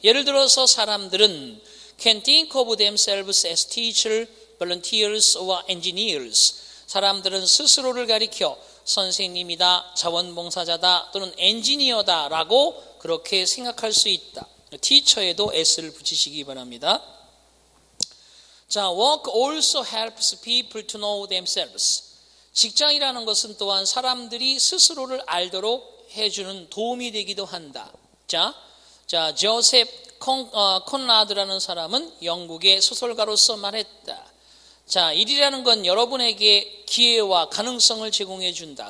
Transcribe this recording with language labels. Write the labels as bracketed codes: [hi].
[ko] 예를 들어서 사람들은 [en] can think of themselves as teachers, volunteers or engineers. [ko] 사람들은 스스로를 가리켜 선생님이다, 자원봉사자다 또는 엔지니어다라고 그렇게 생각할 수 있다. 티처에도 S를 붙이시기 바랍니다. [en] 자, work also helps people to know themselves. [ko] 직장이라는 것은 또한 사람들이 스스로를 알도록 해주는 도움이 되기도 한다. 자, 조셉 콘라드라는 사람은 영국의 소설가로서 말했다. 자, 일이라는 건 여러분에게 기회와 가능성을 제공해 준다.